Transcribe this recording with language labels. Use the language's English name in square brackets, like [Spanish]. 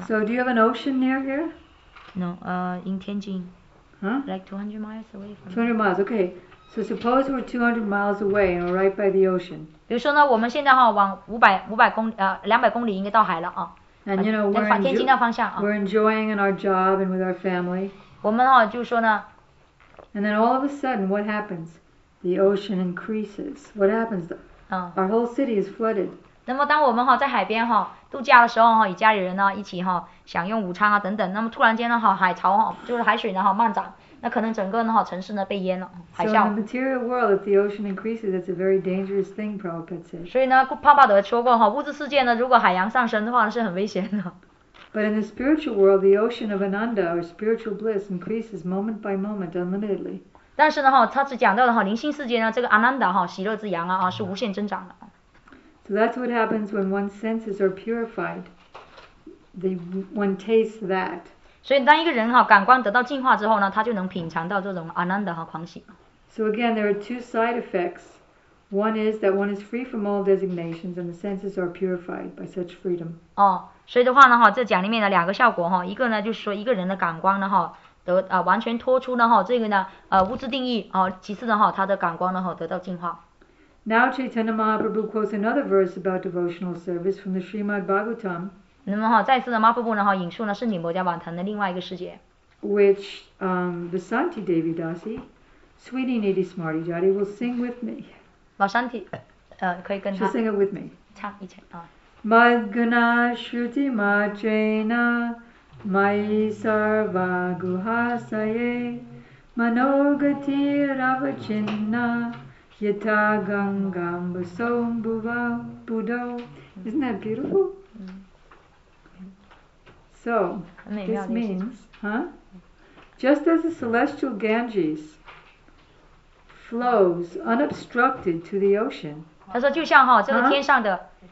[English] So, do you have an ocean near here? No, in Tianjin. Huh? Like 200 miles away from 200 miles, okay. So suppose we're 200 miles away and we're right by the ocean. [Chinese] 比如说呢，我们现在哈往200公里应该到海了啊。 [English] And you know we're [Chinese] enjoying 天津的方向啊。 [English] We're enjoying in our job and with our family. [Chinese] 我们哈就说呢。 [English] And then all of a sudden, what happens? The ocean increases. What happens? Our whole city is flooded. [Chinese] 那么当我们哈在海边哈度假的时候哈，与家里人呢一起哈。享用午餐啊等等，那么突然间呢哈，海潮哈，就是海水呢哈漫涨，那可能整个呢哈城市呢被淹了，海啸。 [English] So in the material world, if the ocean increases, it's a very dangerous thing, Prabhupada said. [Chinese] 所以呢，帕帕德说过哈，物质世界呢，如果海洋上升的话，是很危险的。 [English] But in the spiritual world, the ocean of Ananda or spiritual bliss increases moment by moment, unlimitedly. [Chinese] 但是呢哈，他只讲到了哈，灵性世界呢，这个 Ananda 哈，喜乐之洋啊是无限增长的。 [English] So that's what happens when one's senses are purified. The one tastes that. [Chinese] 所以当一个人哈感官得到净化之后呢，他就能品尝到这种 ananda 和狂喜。 [English] So again, there are two side effects. One is that one is free from all designations, and the senses are purified by such freedom. 哦，所以的话呢哈，这讲里面的两个效果哈，一个呢就是说一个人的感官呢哈得完全脱出呢哈这个呢物质定义啊，其次的话他的感官呢哈得到净化。 Now Chaitanya Mahaprabhu quotes another verse about devotional service from the Srimad Bhagavatam. [Chinese] 那么哈，再次的马瀑布呢哈，引述呢是《女摩迦往谈》的另外一个世界 [English] ，which Vasanti Devi Dasi, Sweetie Needy Smarty Jotty will sing with me. [Chinese] Vasanti, 可以跟他。 [English] She'll sing it with me. [Chinese] 唱一起啊。 [Sanskrit] Madguna Shruti Majena Mai Sarva Guhasaye Manogati Ravachinna Yata Gangam Basom Buva Budo. [English] Isn't that beautiful? So, this means, huh? Just as the celestial Ganges flows unobstructed to the ocean. [Chinese] 他说就像哈这个天上的。